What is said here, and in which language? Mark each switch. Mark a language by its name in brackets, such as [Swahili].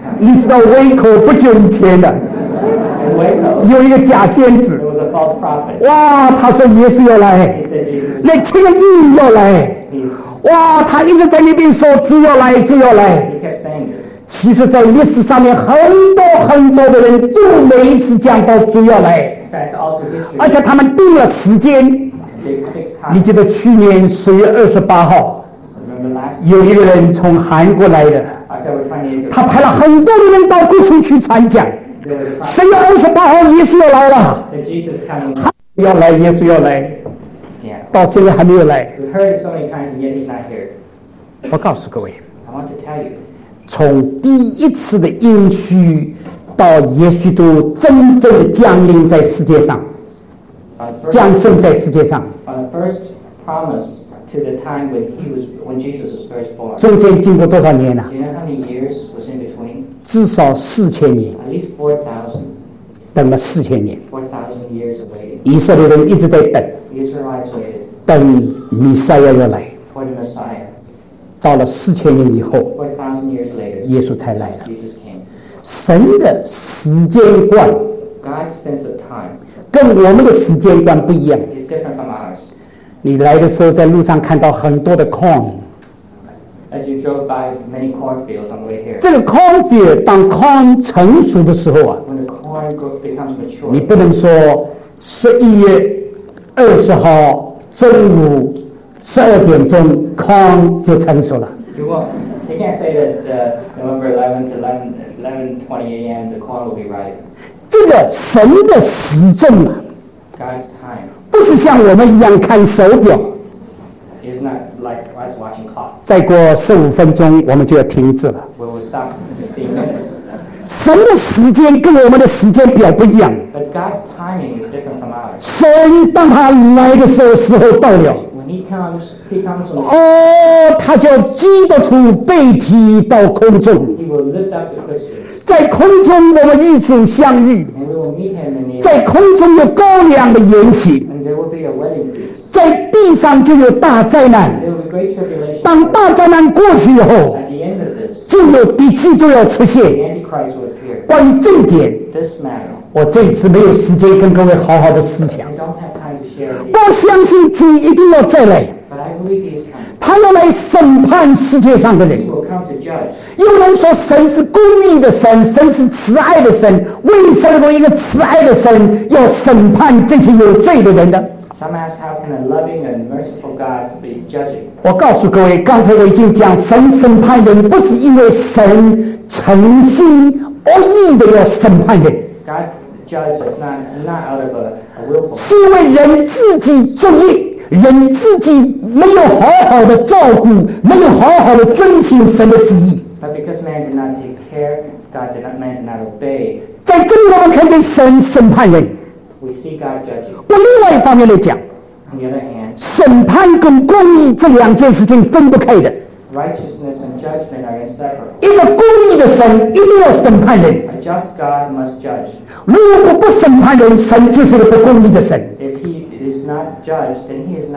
[Chinese] 你知道威口不久以前的有一个假先知哇他说耶稣要来那听了又要来哇他一直在那边说主要来主要来其实在历史上面很多很多的人都没一次讲到主要来而且他们定了时间你记得去年10月28号有一个人从韩国来的他派了很多的人到各处去传讲10月28号，耶稣要来了。 [English] Jesus coming. [Chinese] 要来，耶稣要来。 Yeah. 到现在还没有来。 [English] We've heard it so many times, yet he's not here. [Chinese] 我告诉各位。 [English] I want to tell you. [Chinese] 从第一次的应许到耶稣都真正的降临在世界上， [English] first, [Chinese] 降生在世界上。 [English] The first promise to the time when he was when Jesus was first born. [Chinese] 中间经过多少年了？ [English] Do you know how many years was in between? [Chinese] 至少4000年 [English] At least 4000, [Chinese] 等了4000年 [English] 4000 years of waiting. [Chinese] 以色列人一直在等 [English] Israelites waited. [Chinese] 等弥赛亚要来 [English] For the Messiah. [Chinese] 到了4000年以后 [English] 4000 years later, [Chinese] 耶稣才来了 [English] Jesus came. [Chinese] 神的时间观 [English] God's sense of time. [Chinese] 跟我们的时间观不一样 [English] It's different from ours. [Chinese] 你来的时候在路上看到很多的 corn. [English] As you drove by many cornfields on the way here. [Chinese] 这个 cornfield 当 corn 成熟的时候啊 [English] When the corn becomes mature. [Chinese] 你不能说11月20号中午12点钟 corn 就成熟了。 [English] You can't say that November 11th, 11:20 a.m. the corn will be ripe. [Chinese] 这个神的时钟啊 [English] God's time. [Chinese] 不是像我们一样看手表。 [English] It's not like us watching clock. [Chinese] 再过15分钟，我们就要停止了。 [English] We will stop 15 minutes. [Chinese] 神的时间跟我们的时间表不一样。 [English] But God's timing is different from ours. [Chinese] 神当他来的时候，时候到了。 [English] When he comes. [Chinese] 哦，他叫基督徒被提到空中。 [English] He will lift up the Christian. [Chinese] 在空中，我们与主相遇。 [English] And we will meet him in the air. [Chinese] 在空中有羔羊的筵席。 [English] And there will be a wedding. [Chinese] 在地上就有大灾难当大灾难过去以后 [English] this, [Chinese] 就有敌基督要出现 [English] appear, [Chinese] 关于这一点 [English] matter, [Chinese] 我这一次没有时间跟各位好好的思想不相信主一定要再来 [English] coming, [Chinese] 他要来审判世界上的人有人说神是公义的神神是慈爱的神为什么一个慈爱的神要审判这些有罪的人呢 [English] Some ask how can a loving and merciful God be judging? [Chinese] 我告诉各位，刚才我已经讲，神审判人不是因为神诚心恶意的要审判人。 [English] God judges not out of a willful. [Chinese] 是因为人自己作孽，人自己没有好好的照顾，没有好好的遵行神的旨意。 [English] But because man did not take care, God did not man did not obey. [Chinese] 在这里我们看见神审判人。 [English] We see God judging. [Chinese] 不，另外一方面来讲 [English] On the other hand, [Chinese] 审判跟公义这两件事情分不开的 [English] Righteousness and judgment are inseparable. [Chinese] 一个公义的神一定要审判人 [English] A just God must judge. [Chinese] 如果不审判人神就是个不公义的神 [English] If he is not judged, then he is not